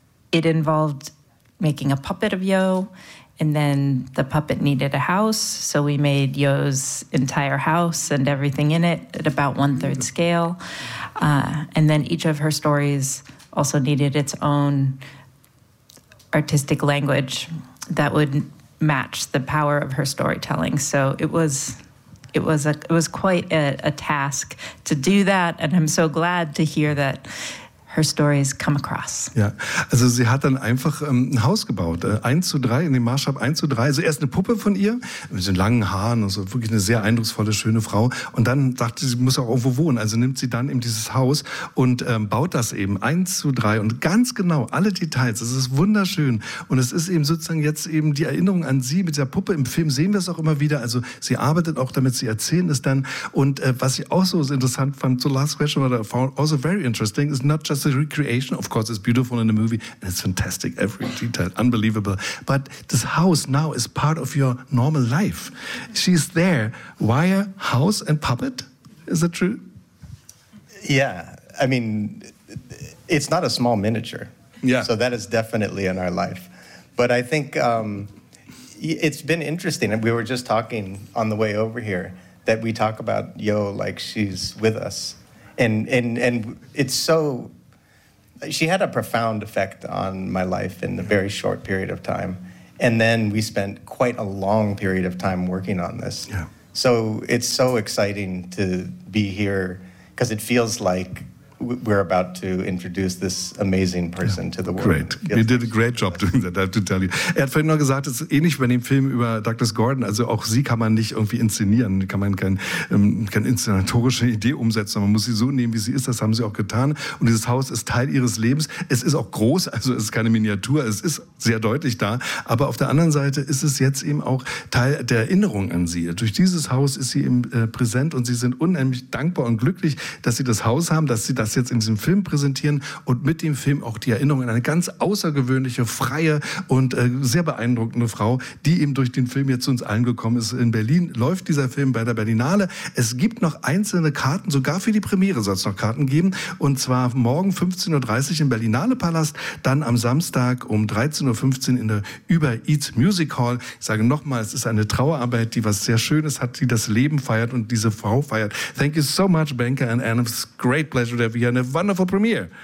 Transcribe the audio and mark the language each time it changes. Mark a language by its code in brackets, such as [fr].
[en] it involved making a puppet of Yo, and then the puppet needed a house, so we made Yo's entire house and everything in it at about 1/3 scale, and then each of her stories also needed its own artistic language that would match the power of her storytelling. So it was quite a task to do that, and I'm so glad to hear that her stories come across. [de] Ja, also sie hat dann einfach ein Haus gebaut, 1:3, in dem Maßstab 1:3. Also erst eine Puppe von ihr, mit den langen Haaren und so, wirklich eine sehr eindrucksvolle, schöne Frau. Und dann dachte sie, sie muss auch irgendwo wohnen. Also nimmt sie dann eben dieses Haus und baut das eben 1:3. Und ganz genau, alle Details, es ist wunderschön. Und es ist eben sozusagen jetzt eben die Erinnerung an sie mit der Puppe. Im Film sehen wir es auch immer wieder. Also sie arbeitet auch damit, sie erzählen es dann. Und was ich auch so interessant fand, [en] so last question, what I found also very interesting, is not just the recreation, of course, is beautiful in the movie, and it's fantastic, every detail, unbelievable. But this house now is part of your normal life. She's there. Wire, house, and puppet? Is that true? Yeah. I mean, it's not a small miniature. Yeah. So that is definitely in our life. But I think it's been interesting, and we were just talking on the way over here, that we talk about Yo like she's with us. And it's so... She had a profound effect on my life in a very short period of time. And then we spent quite a long period of time working on this. Yeah. So it's so exciting to be here because it feels like we're about to introduce this amazing person to the world. Great. You did a great job doing that, I have to tell you. [de] Er hat vorhin noch gesagt, es ist ähnlich wie bei dem Film über Douglas Gordon. Also auch sie kann man nicht irgendwie inszenieren. Kann man keine inszenatorische Idee umsetzen. Man muss sie so nehmen, wie sie ist. Das haben sie auch getan. Und dieses Haus ist Teil ihres Lebens. Es ist auch groß, also es ist keine Miniatur. Es ist sehr deutlich da. Aber auf der anderen Seite ist es jetzt eben auch Teil der Erinnerung an sie. Durch dieses Haus ist sie eben präsent und sie sind unheimlich dankbar und glücklich, dass sie das Haus haben, dass sie das jetzt in diesem Film präsentieren und mit dem Film auch die Erinnerung an eine ganz außergewöhnliche, freie und sehr beeindruckende Frau, die eben durch den Film jetzt zu uns allen gekommen ist. In Berlin läuft dieser Film bei der Berlinale. Es gibt noch einzelne Karten, sogar für die Premiere soll es noch Karten geben, und zwar morgen 15.30 Uhr im Berlinale-Palast, dann am Samstag um 13.15 Uhr in der Übereats Music Hall. Ich sage nochmal, es ist eine Trauerarbeit, die was sehr Schönes hat, die das Leben feiert und diese Frau feiert. [en] Thank you so much, Banker and Anne. It's a great pleasure to have you here and a wonderful premiere.